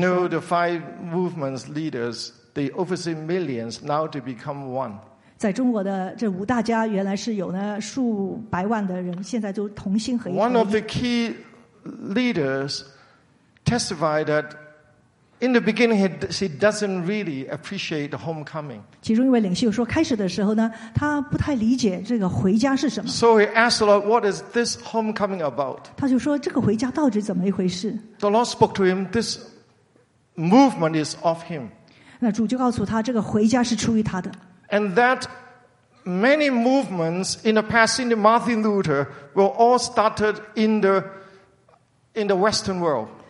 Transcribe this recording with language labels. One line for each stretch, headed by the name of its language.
English: You know the five movements leaders, they oversee millions now to become one.
Chinese: 在中国的这五大家原来是有呢数百万的人，现在都同心合一。
English: One of the key leaders testified that in the beginning he doesn't really appreciate the homecoming.
Chinese: 其中一位领袖说，开始的时候呢，他不太理解这个回家是什么。
English: So he asked the Lord, "What is this homecoming about?"
Chinese: 他就说，这个回家到底怎么一回事？
English: The Lord spoke to him, "This movement is of him."
Chinese: 那主就告诉他，这个回家是出于他的。
English: And that many movements in the past, in the Martin Luther, were all started in the Western world.